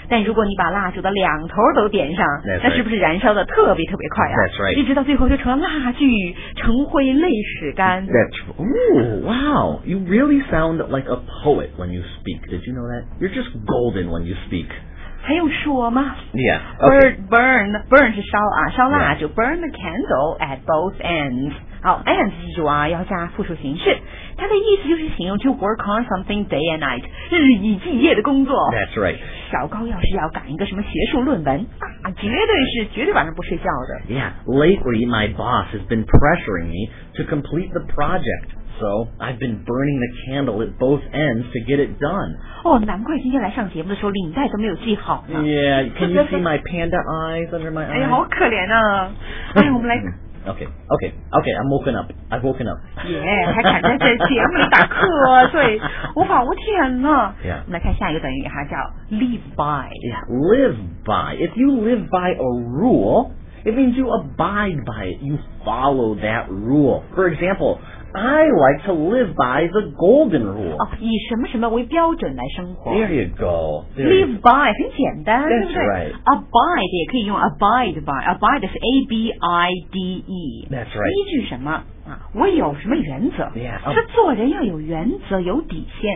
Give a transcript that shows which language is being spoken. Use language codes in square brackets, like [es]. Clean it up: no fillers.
[zh] 但如果你把蜡烛的两头都点上， [en] That's、 [zh] 那是不是燃烧的特别特别快啊 [en] ？That's right. [zh] 一直到最后就成了蜡炬，成灰泪始干。 [en] That's true. Ooh, wow. You really sound like a poet when you speak. Did you know that? You're just golden when you speak. [zh] 还用说吗 [en] ？Yeah,、okay. burn [zh] 是烧啊，烧蜡烛、 [en] yeah. ，burn the candle at both ends。 [zh] 好 ，ends 记住啊，要加复数形式。它的意思就是形容 [en] to work on something day and night， [zh] 日以继夜的工作。 [en] That's right。 [zh] 小高要是要赶一个什么学术论文，啊，绝对晚上不睡觉的。 [en] Yeah, lately my boss has been pressuring me to complete the project. So I've been burning the candle at both ends to get it done. [zh] Oh, 难怪今天来上节目的时候领带都没有系好呢。 [en] Yeah, can you see my panda eyes under my eyes? [zh] 哎呀，好可怜啊！哎，我们来。 [en] Okay, I'm woken up. I've woken up. [zh] Yeah, 还敢在节目里打瞌睡，我仿佛天呐。 [en] Yeah. [zh] 我们来看下一个短语哈，叫 live by. [en] Yeah, live by. If you live by a rule, it means you abide by it. You follow that rule. For example. I like to live by the golden rule. [zh] 哦，以什么什么为标准来生活。 [en] There you go. [zh] Live by 很简单。 [en] That's right. Abide [zh] 也可以用 [en] abide by. Abide 是 A B I D E. That's right. [zh] 依据什么？我有什么原则？ [en] Yeah. [zh] 是做人要有原则，有底线。